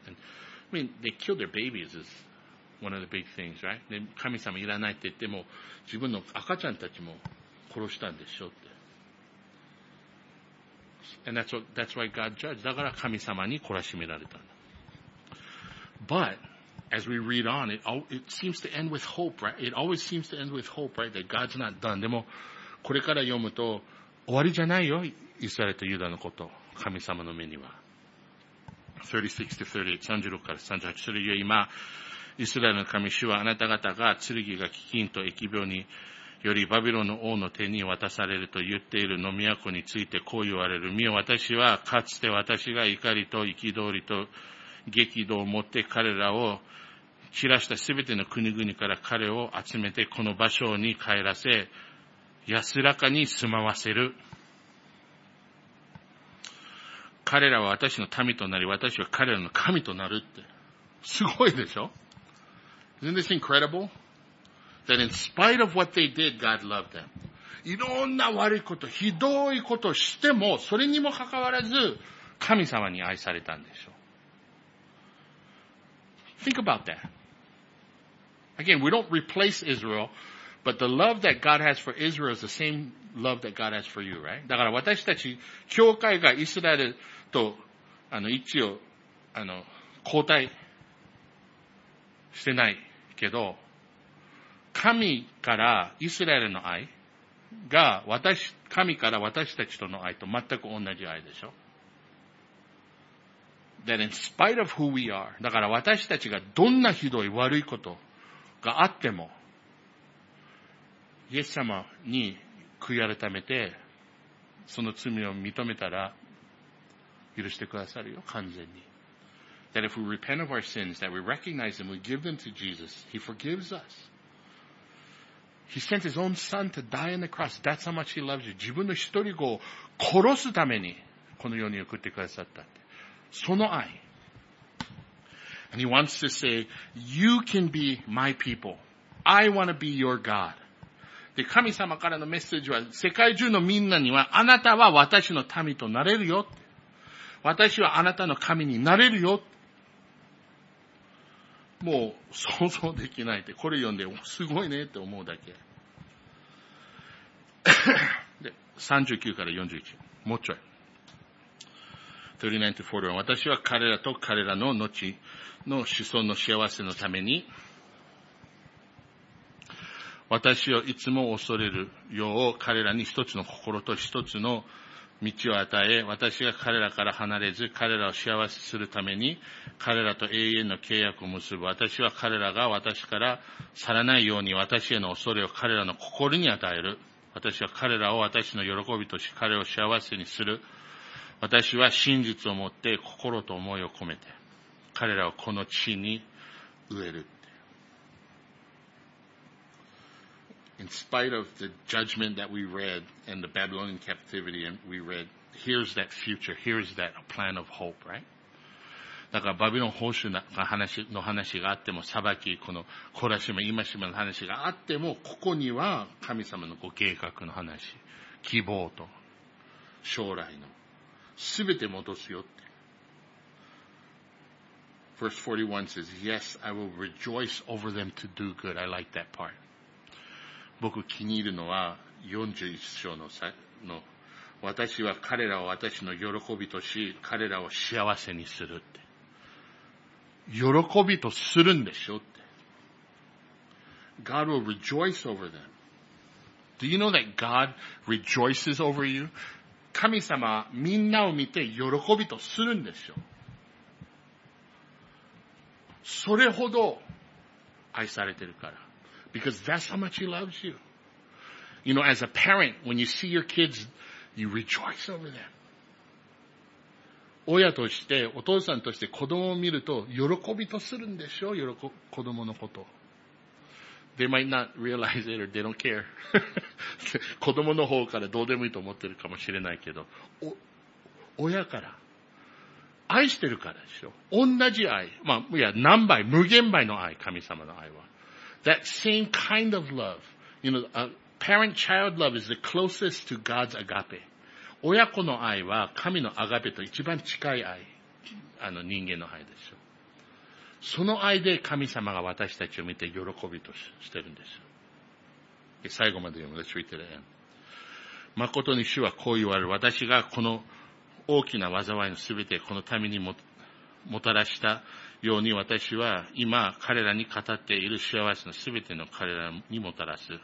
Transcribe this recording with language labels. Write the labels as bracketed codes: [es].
[en] And, I mean, they killed their babies is one of the big things, right? [ja] 神様いらないって言っても、自分の赤ちゃんたちも殺したんでしょって。 [en] And that's why God judged. [ja] だから神様に懲らしめられたんだ。 [en] But, as we read on, it seems to end with hope, right? It always seems to end with hope, right? That God's not done. [ja] でも、これから読むと、終わりじゃないよ、イスラエルとユダのこと、神様の目には。 36から38。それゆえ今、イスラエルの神主はあなた方が剣が飢饉と疫病によりバビロンの王の手に渡されると言っているの都についてこう言われる。見よ、私はかつて私が怒りと憤りと激怒を持って彼らを散らしたすべての国々から彼を集めてこの場所に帰らせ、安らかに住まわせる。彼らは私の民となり、私は彼らの神となるって。すごいでしょ? [en] Isn't this incredible? That in spite of what they did, God loved them. [ja] いろんな悪いこと、ひどいことをしても、それにもかかわらず、神様に愛されたんでしょう。 [en] Think about that. Again, we don't replace Israel, but the love that God has for Israel is the same love that God has for you, right? [ja] だから私たち、教会がイスラエルと、一応、交代してないけど、神からイスラエルの愛が神から私たちとの愛と全く同じ愛でしょ。 [en] That in spite of who we are, [ja] だから私たちがどんなひどい悪いことがあっても、イエス様に悔い改めて、その罪を認めたら、許してくださるよ、完全に。 [en] That if we repent of our sins, that we recognize them, we give them to Jesus, He forgives us. He sent his own son to die on the cross. That's how much he loves you. [ja] 自分の一人子を殺すためにこの世に送ってくださったって。その愛。 [en] And he wants to say, you can be my people. I want to be your God. [ja] で、神様からのメッセージは世界中のみんなにはあなたは私の民となれるよって。私はあなたの神になれるよって。もう想像できないって、これ読んですごいねって思うだけ。で、39から41。もうちょい。39-41。私は彼らと彼らの後の子孫の幸せのために、私をいつも恐れるよう彼らに一つの心と一つの道を与え、私が彼らから離れず、彼らを幸せするために、彼らと永遠の契約を結ぶ。私は彼らが私から去らないように、私への恐れを彼らの心に与える。私は彼らを私の喜びとし、彼を幸せにする。私は真実を持って、心と思いを込めて、彼らをこの地に植える。 [en] In spite of the judgment that we read and the Babylonian captivity and we read, here's that future, here's that plan of hope, right? [ja] だからバビロン報酬の話があっても、裁き、この懲らしめ、戒めの話があっても、ここには神様のご計画の話、希望と将来の、すべて戻すよって。 [en] Verse 41 says, Yes, I will rejoice over them to do good. I like that part. [ja] 僕気に入るのは41章の私は彼らを私の喜びとし、彼らを幸せにするって。喜びとするんでしょって。 [en] God will rejoice over them. Do you know that God rejoices over you? [ja] 神様はみんなを見て喜びとするんでしょ。それほど愛されてるから。 [en] Because that's how much he loves you. You know, as a parent, when you see your kids, you rejoice over them. [ja] 親として、お父さんとして子供を見ると、喜びとするんでしょ? 子供のこと。 [en] They might not realize it or they don't care. [ja] 子供の方からどうでもいいと思ってるかもしれないけど、親から。愛してるからでしょ。同じ愛。まあ、いや、何倍、無限倍の愛、神様の愛は。 [en] That same kind of love, you know, a parent-child love is the closest to God's agape. [ja] 親子の愛は神のアガペと一番近い愛、人間の愛でしょ。その愛で神様が私たちを見て喜びとしてるんですよ。最後まで読む。 [en] Let's read to the end. [ja] 誠に主はこう言われる。私がこの大きな災いのすべてこの民にもたらしたように私は今彼らに語っている幸せのすべての彼らにもたらす。